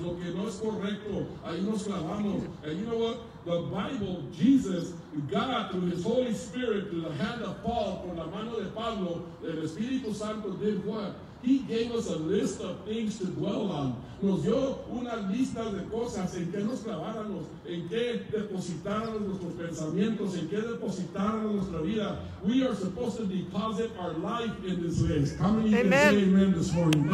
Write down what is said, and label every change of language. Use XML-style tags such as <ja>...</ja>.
<es>Lo que no es correcto, ahí nos clavamos.</es> <en>And you know what? The Bible, Jesus, God, through his Holy Spirit, through the hand of Paul,</en> <es>por la mano de Pablo, el Espíritu Santo</es> <en>did what? He gave us a list of things to dwell on.</en> <es>Nos dio una lista de cosas en que nos claváramos, en que depositáramos nuestros pensamientos, en que depositáramos nuestra vida.</es> <en>We are supposed to deposit our life in this list. How many of you say amen this morning?</en>